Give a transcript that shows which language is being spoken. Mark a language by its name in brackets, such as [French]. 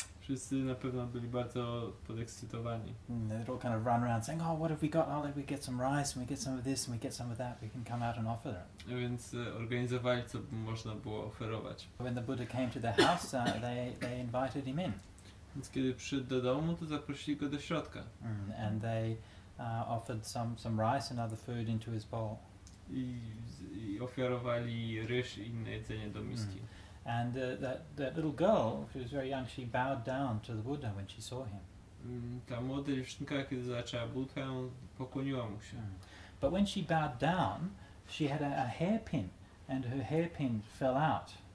[Polish] Wszyscy na pewno byli bardzo podekscytowani. [English] They'd all kind of run around saying, oh, what have we got? Oh, like we get some rice and we get some of this and we get some of that. We can come out and offer them. [Polish] Więc organizowali, co by można było oferować. [English] When the Buddha came to their house, they invited him in. [Polish] Więc kiedy przyszedł do domu, to zaprosili go do środka. [English] And they offered some rice and other food into his bowl. [Polish] I ofiarowali ryż i inne jedzenie do miski. [English] And that little girl, who was very young, she bowed down to the Buddha when she saw him. [Polish] Ta młoda dziewczynka, kiedy zaczęła Buddha, pokłoniła mu się. [English] But when she bowed down, she had a hairpin, and her hairpin fell out.